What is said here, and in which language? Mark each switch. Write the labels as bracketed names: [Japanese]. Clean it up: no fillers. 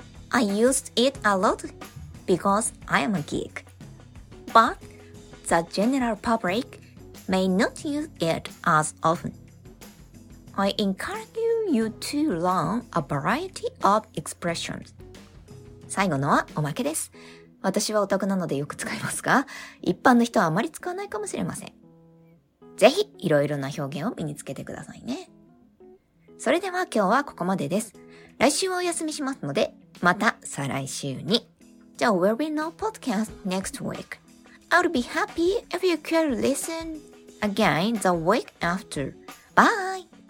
[English] I used it a lot because I am a geek. But the general public may not use it as often. I encourage you to learn a variety of expressions. [Japanese] 最後のはおまけです。私はオタクなのでよく使いますが、一般の人はあまり使わないかもしれません。ぜひ、いろいろな表現を身につけてくださいね。それでは今日はここまでです。来週はお休みしますので、また再来週に。 [English] じゃあ、we'll be no podcast next week. I'll be happy if you could listen again the week after. Bye!